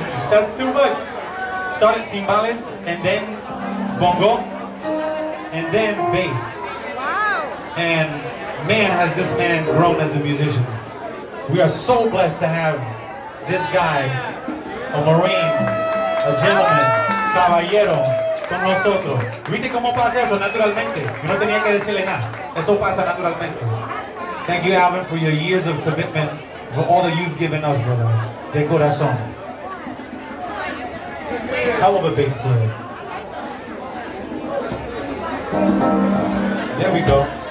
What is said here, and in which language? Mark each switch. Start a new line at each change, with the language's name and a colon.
English: That's too much. Started timbales and then bongo. And then bass. Wow. And man, has this man grown as a musician. We are so blessed to have this guy, a Marine, a gentleman, caballero.
Spanish: Con nosotros. ¿Viste cómo pasa eso naturalmente? Yo no tenía que decirle nada. Eso pasa naturalmente.
English: Thank you, Alvin, for your years of commitment, for all that you've given us, brother.
Spanish: De corazón.
English: Hell of a bass player. There we go.